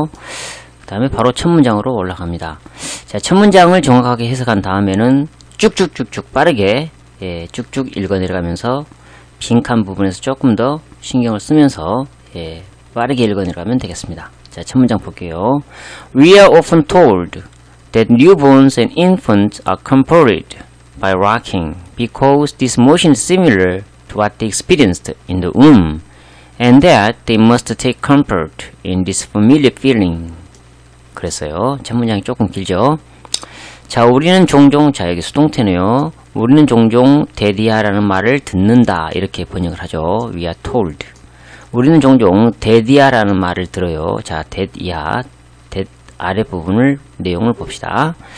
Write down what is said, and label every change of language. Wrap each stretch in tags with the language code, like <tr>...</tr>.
<ko>그 다음에 바로 첫 문장으로 올라갑니다. 자, 첫 문장을 정확하게 해석한 다음에는 쭉쭉쭉쭉 빠르게 예, 쭉쭉 읽어내려가면서 빈칸 부분에서 조금 더 신경을 쓰면서 예, 빠르게 읽어내려가면 되겠습니다. 자, 첫 문장 볼게요.</ko> <en>We are often told that newborns and infants are comforted by rocking because this motion is similar to what they experienced in the womb and that they must take comfort in this familiar feeling.</en> <ko>그랬어요. 첫 문장이 조금 길죠. 자, 우리는 종종, 자, 여기 수동태네요. 우리는 종종 대디아라는 말을 듣는다. 이렇게 번역을 하죠.</ko> <en>We are told.</en> <ko>우리는 종종 대디아라는 말을 들어요. 자, 대디아, 아래 부분을, 내용을 봅시다.</ko>